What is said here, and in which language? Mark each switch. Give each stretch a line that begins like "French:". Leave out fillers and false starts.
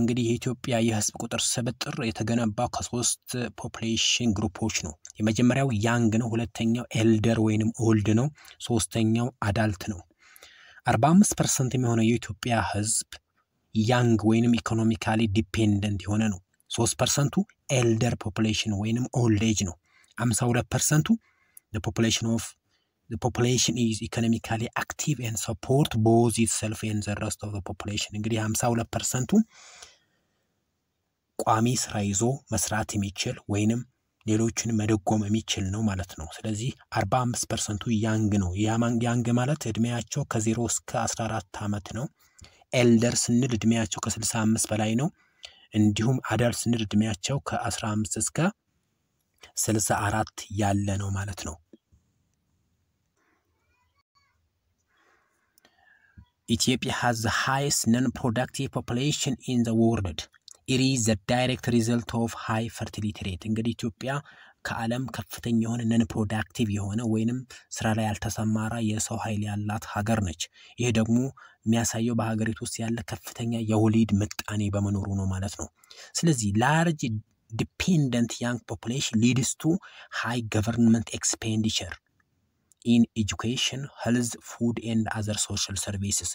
Amharic: እንግዲህ የኢትዮጵያ የህዝብ ቁጥር ስብጥር የተገነባው ከሶስት population groupዎች ነው። የመጀመሪያው young ነው፣ ሁለተኛው elder ወይንም old ነው፣ ሶስተኛው adult ነው። 45% የሚሆነው የኢትዮጵያ ህዝብ young ወይንም economically dependent የሆነ ነው። 3% elder population ወይንም old age ነው።
English: 52% the population is economically active and support both itself and the rest of the population.
Amharic: እንግዲህ 52% ቋሚ ስራ ይዞ መስራት የሚችል ወይንም ሌሎችን መደጎም የሚችል ነው ማለት ነው። ስለዚህ 45% young ነው። young ማለት እድሜያቸው ከ0 እስከ 14 ዓመት ነው። elders ንል እድሜያቸው ከ65 በላይ ነው። እንዲሁም adults ንል እድሜያቸው ከ15 እስከ 64 ያለ ነው ማለት ነው።
English: Ethiopia has the highest non-productive population in the world. It is the direct result of high fertility rate.
Amharic: እንግዲህ ኢትዮጵያ ከዓለም ከፍተኛ የሆነ non-productive የሆነ ወይንም ስራ ላይ ያልተሰማራ የሰው ኃይል ያላት ሀገር ነች። ይሄ ደግሞ የሚያሳየው በሀገሪቱ ውስጥ ያለ ከፍተኛ የወሊድ ምጣኔ በመኖሩ ነው ማለት ነው። ስለዚህ
English: large dependent young population leads to high government expenditure in education, health, food and other social services.